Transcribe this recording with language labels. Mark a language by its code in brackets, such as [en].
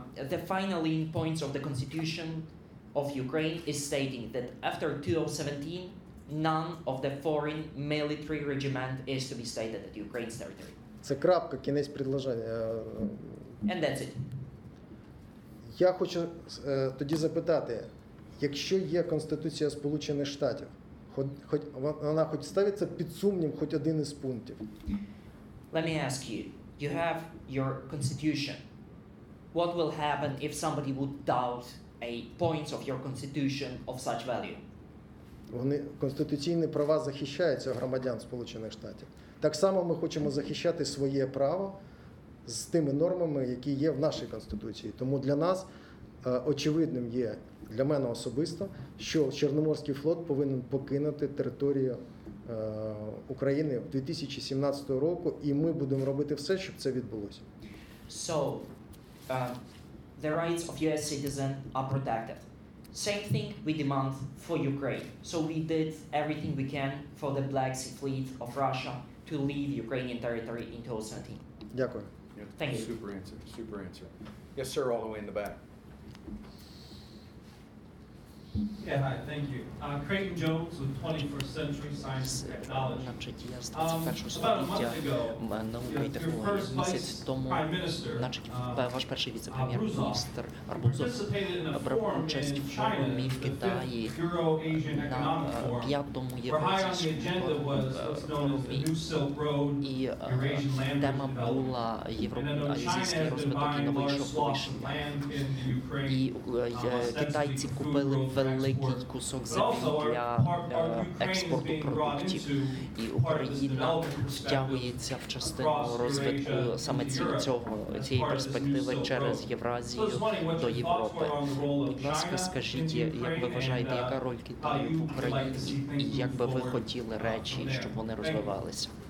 [en] The final in points of the constitution of Ukraine is stating that after 2017 none of the foreign military regiment is to be stationed at Ukraine's territory. [uk] Це крапка, кінець предложення. [en] And that's it. [uk] Я хочу тоді запитати, якщо є Конституція Сполучених Штатів, хоч вона хоч ставиться під сумнів хоч один із пунктів? [en] Let me ask you, you have your constitution. What will happen if somebody would doubt a point of your constitution of such value? [uk] Вони конституційні права захищаються громадян Сполучених Штатів. Так само ми хочемо захищати своє право з тими нормами, які є в нашій Конституції. Тому для нас очевидним є, для мене особисто, що Чорноморський флот повинен покинути територію України в 2017 року, і ми будемо робити все, щоб це відбулося. [en] So, the rights of US citizen are protected. Same thing we demand for Ukraine. So we did everything we can for the Black Sea Fleet of Russia to leave Ukrainian territory in 2017. [uk] Дякую. [en] Yeah. Thank you. Super answer, super answer. Yes, sir, all the way in the back. Yeah, hi, thank you. Creighton Jones with 21st Century Science and Technology. About a month ago, your first vice prime minister, Arbuzov, participated in a forum in China, the Euro-Asian Economic Forum, where high on the agenda was what's known as the New Silk Road, Eurasian Land Development, and I know China has been buying large swaths of land in the Ukraine, ostensibly for food manufacturing. [uk] Великий кусок землі для експорту продуктів. І Україна втягується в частину розвитку саме цієї перспективи через Євразію до Європи. Будь ласка, скажіть, як ви вважаєте, яка роль Китаю в Україні, і як би ви хотіли речі, щоб вони розвивалися?